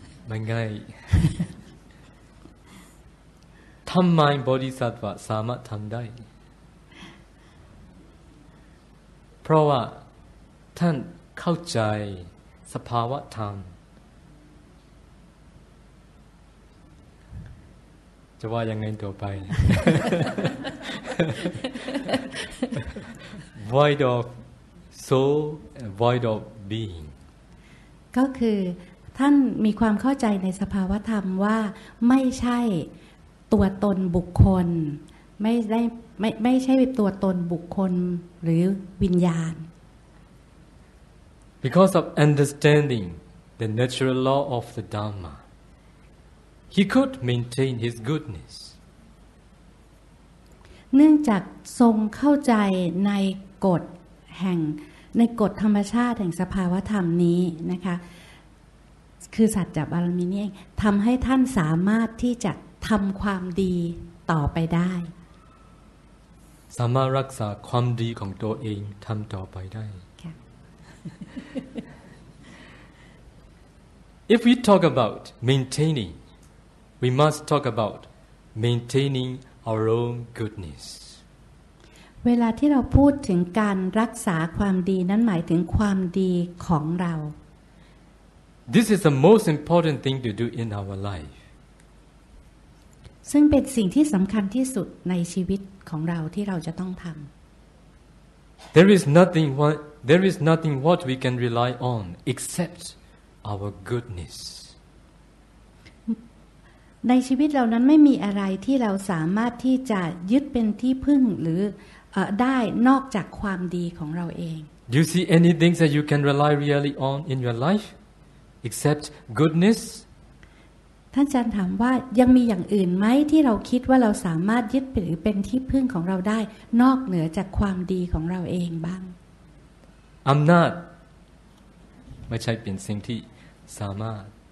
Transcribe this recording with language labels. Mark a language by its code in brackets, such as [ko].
[th] มันง่ายทำไมบริษัทว่าสามารถทำได้เพราะว่าท่านเข้าใจสภาวะธรรมจะว่ายังไงต่อไป [en] void of soul and void of being [th] ก็คือท่านมีความเข้าใจในสภาวะธรรมว่าไม่ใช่ตัวตนบุคคลไม่ใช่เป็นตัวตนบุคคลหรือวิญญาณ [en] Because of understanding the natural law of the Dhamma he could maintain his goodness [th] เนื่องจากทรงเข้าใจในกฎแห่งในกฎธรรมชาติแห่งสภาวธรรมนี้นะคะคือสัจจบารมีนี้ทำให้ท่านสามารถที่จะทำความดีต่อไปได้ สามารถรักษาความดีของตัวเองทำต่อไปได้ [en] If we talk about maintaining we must talk about maintaining our own goodness [th] เวลาที่เราพูดถึงการรักษาความดีนั้นหมายถึงความดีของเรา [en] This is the most important thing to do in our life [th] ซึ่งเป็นสิ่งที่สำคัญที่สุดในชีวิตของเราที่เราจะต้องทำ [en] There is nothing what we can rely on except our goodness [th] ในชีวิตเรานั้นไม่มีอะไรที่เราสามารถที่จะยึดเป็นที่พึ่งหรือได้นอกจากความดีของเราเอง [en] Do you see anything that you can rely really on in your life except goodness [th] ท่านอาจารย์ถามว่ายังมีอย่างอื่นไหมที่เราคิดว่าเราสามารถยึดหรือเป็นที่พึ่งของเราได้นอกเหนือจากความดีของเราเองบ้าง อำนาจไม่ใช่เป็นสิ่งที่สามารถ